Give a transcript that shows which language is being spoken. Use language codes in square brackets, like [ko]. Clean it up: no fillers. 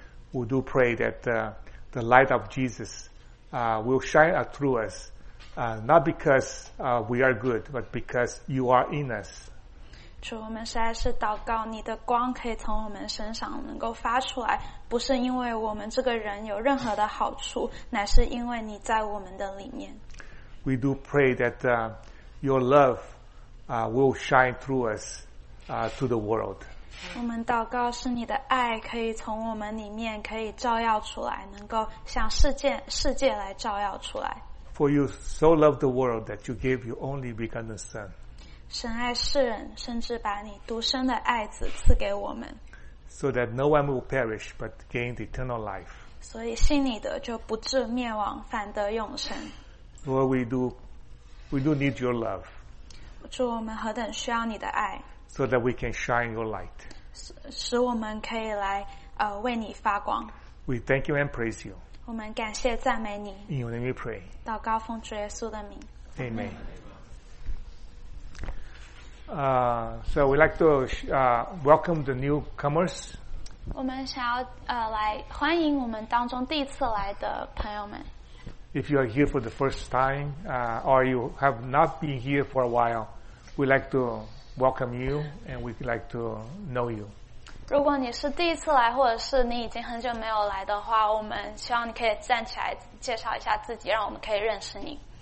[en] We do pray that the light of Jesus will shine through us, not because we are good, but because you are in us. [zh] 主，我们实在是祷告，你的光可以从我们身上能够发出来，不是因为我们这个人有任何的好处，乃是因为你在我们的里面。 [en] We do pray that your love will shine through us to the world. [zh] 我们祷告是你的爱可以从我们里面可以照耀出来，能够向世界来照耀出来。 [en] For you so loved the world that you gave your only begotten Son. [zh] 神爱世人，甚至把你独生的爱子赐给我们。 [en] So that no one will perish, but gain the eternal life. [zh] 所以信你的就不至灭亡，反得永生。 [en] Lord, we do need your love. [zh] 主，我们何等需要你的爱。 [en] So that we can shine your light. [zh] 使我们可以来为你发光。 [en] We thank you and praise you. [zh] 我们感谢赞美你。 [en] In your name we pray. [zh] 祷告奉主耶稣的名。 [en] Amen. Amen. So we'd like to welcome the newcomers. [zh] 我们想要来欢迎我们当中第一次来的朋友们。 [en] If you are here for the first time, or you have not been here for a while, we'd like to welcome you and we'd like to know you. [zh] 如果你是第一次来，或者是你已经很久没有来的话，我们希望你可以站起来介绍一下自己，让我们可以认识你。